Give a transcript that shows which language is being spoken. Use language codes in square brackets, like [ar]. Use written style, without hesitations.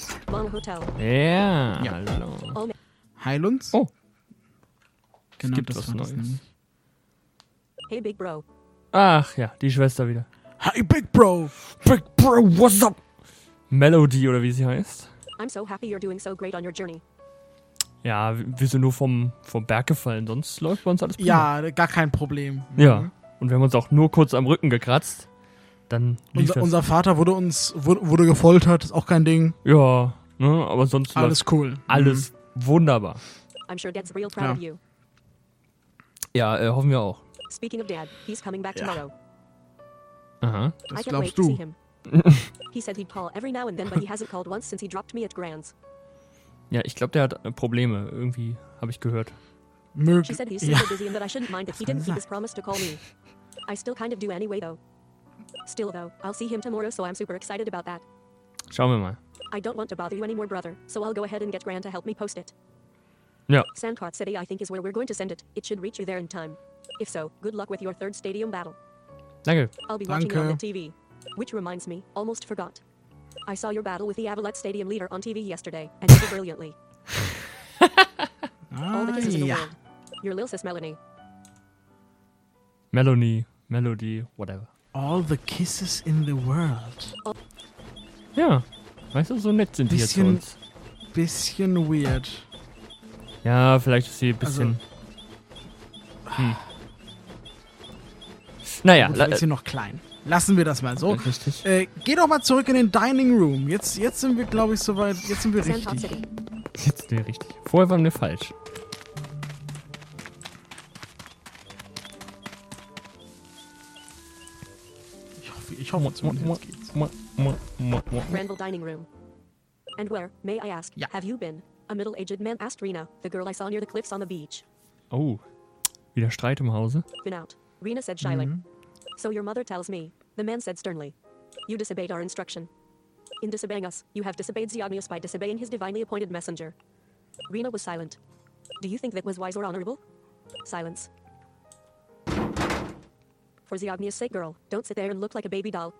[en] Long Hotel. [de] Ja. Hallo. Heil uns. Oh. Genau, es gibt das was war Neues. Das [en] hey, Big Bro. [de] Ach ja, die Schwester wieder. [en] Hey, Big Bro. Big Bro, what's up? [de] Melody, oder wie sie heißt. [en] I'm so happy you're doing so great on your journey. [de] Ja, wir sind nur vom Berg gefallen. Sonst läuft bei uns alles prima. Ja, gar kein Problem. Mhm. Ja, und wir haben uns auch nur kurz am Rücken gekratzt. Dann unser Vater wurde gefoltert, ist auch kein Ding. Ja, ne, aber sonst alles cool. Alles wunderbar. [en] I'm sure Dad's real proud of you. [de] Ja, hoffen wir auch. [en] Speaking of Dad, he's coming back tomorrow. [de] Aha. Das glaubst du. [en] He said he'd call every now and then, but he hasn't called once since he dropped me at Grand's. [de] Ja, ich glaube, der hat Probleme, irgendwie habe ich gehört. [en] She said he's so busy and that I shouldn't mind if he didn't keep his promise to call me. I still kind of do anyway though. Still though, I'll see him tomorrow, so I'm super excited about that. [de] Schauen wir mal. [en] I don't want to bother you anymore, brother, so I'll go ahead and get Grant to help me post it. Ja. Sandhoff City, I think, is where we're going to send it. It should reach you there in time. If so, good luck with your third stadium battle. [de] Danke. [en] I'll be watching you on the TV. Which reminds me, almost forgot. I saw your battle with the Avalette Stadium leader on TV yesterday, and you did brilliantly. All the kisses in the world. Your lil sis Melanie. Melanie, Melody, whatever. All the kisses in the world. [de] Ja, weißt du, so nett sind die jetzt uns. Bisschen weird. Ja, vielleicht ist sie ein bisschen... Also, naja. Vielleicht ist sie noch klein. Lassen wir das mal so. Okay, richtig. Geh doch mal zurück in den Dining Room. Jetzt sind wir, glaube ich, soweit. Jetzt sind wir richtig. Jetzt sind wir richtig. Vorher waren wir falsch. Ich hoffe jetzt geht's. [en] Randall Dining Room. And where, may I ask, [de] ja. [en] Have you been? A middle-aged man asked Rena, the girl I saw near the cliffs on the beach. [de] Oh, wieder Streit im Hause. [en] Been out, Rena said shyly. Mm-hmm. So your mother tells me, the man said sternly. You disobeyed our instruction. In disobeying us, you have disobeyed Ziognius by disobeying his divinely appointed messenger. Rena was silent. Do you think that was wise or honorable? Silence. For Ziognius' sake, girl, don't sit there and look like a baby doll.